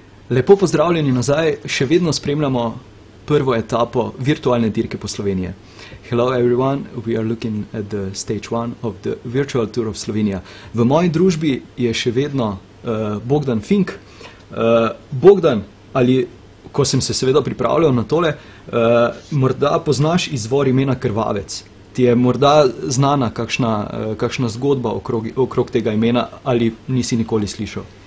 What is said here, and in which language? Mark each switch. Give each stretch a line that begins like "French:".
Slovenian: Lepo pozdravljeni nazaj, še vedno spremljamo prvo etapo virtualne dirke po Sloveniji.
English: Hello everyone, we are looking at the stage one of the virtual tour of Slovenia.
Slovenian: V moji družbi je še vedno Bogdan Fink. Bogdan, ali ko sem se seveda pripravljal na tole, morda poznaš izvor imena Krvavec. Ti je morda znana kakšna zgodba okrog tega imena ali nisi nikoli slišal?